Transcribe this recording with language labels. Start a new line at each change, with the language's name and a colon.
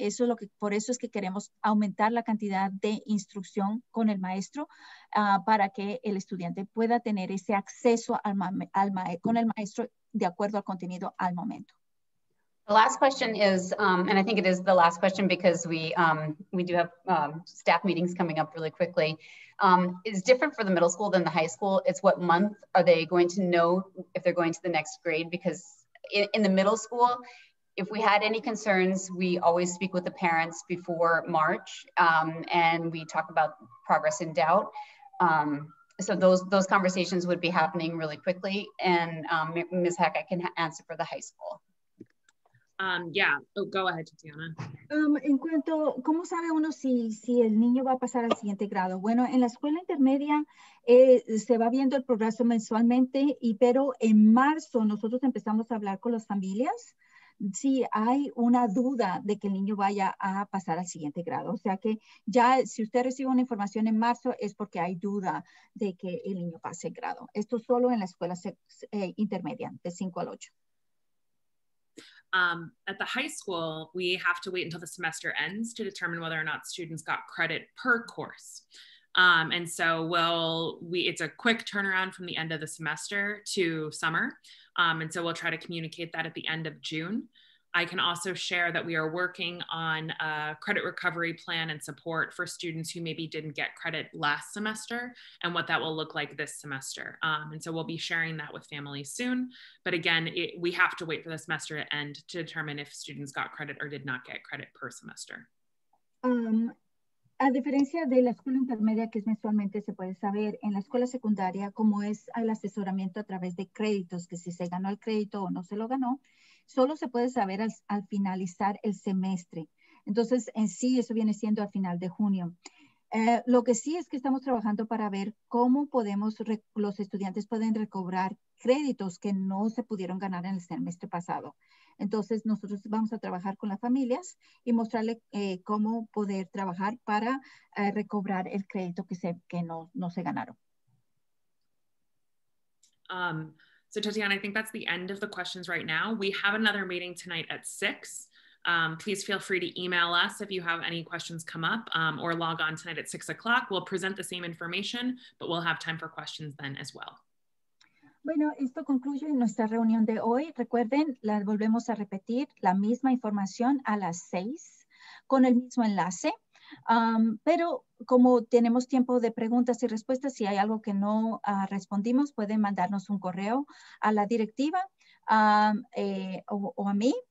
Spanish: Eso es lo que, por eso es que queremos aumentar la cantidad de instrucción con el maestro para que el estudiante pueda tener ese acceso con el maestro de acuerdo al contenido al momento.
English: The last question is, and I think it is the last question because we do have staff meetings coming up really quickly. Is different for the middle school than the high school. It's what month are they going to know if they're going to the next grade? Because in the middle school, if we had any concerns, we always speak with the parents before March and we talk about progress in doubt. So those conversations would be happening really quickly. And Ms. Heck, I can answer for the high school. Go ahead, Tatiana.
Spanish: En cuanto, ¿cómo sabe uno si el niño va a pasar al siguiente grado? Bueno, en la escuela intermedia se va viendo el progreso mensualmente, pero en marzo nosotros empezamos a hablar con las familias. Sí, hay una duda de que el niño vaya a pasar al siguiente grado. O sea que ya si usted recibe una información en marzo es porque hay duda de que el niño pase el grado. Esto solo en la escuela intermedia, de 5 al 8.
English: At the high school, we have to wait until the semester ends to determine whether or not students got credit per course. And so it's a quick turnaround from the end of the semester to summer. And so we'll try to communicate that at the end of June. I can also share that we are working on a credit recovery plan and support for students who maybe didn't get credit last semester and what that will look like this semester. And so we'll be sharing that with families soon. But again, we have to wait for the semester to end to determine if students got credit or did not get credit per semester.
Spanish: A diferencia de la escuela intermedia, que es mensualmente, se puede saber, en la escuela secundaria, como es el asesoramiento a través de créditos, que si se ganó el crédito o no se lo ganó, solo se puede saber al finalizar el semestre. Entonces, en sí, eso viene siendo a final de junio. Lo que sí es que estamos trabajando para ver cómo podemos, los estudiantes pueden recobrar créditos que no se pudieron ganar en el semestre pasado. Entonces, nosotros vamos a trabajar con las familias y mostrarle cómo poder trabajar para recobrar el crédito que no se ganaron.
English: So Tatiana, I think that's the end of the questions right now. We have another meeting tonight at 6. Please feel free to email us if you have any questions come up or log on tonight at 6 o'clock. We'll present the same information, but we'll have time for questions then as well.
Spanish: Bueno, esto concluye nuestra reunión de hoy. Recuerden, la volvemos a repetir la misma información a las 6 con el mismo enlace. Pero como tenemos tiempo de preguntas y respuestas, si hay algo que no respondimos, pueden mandarnos un correo a la directiva o a mí.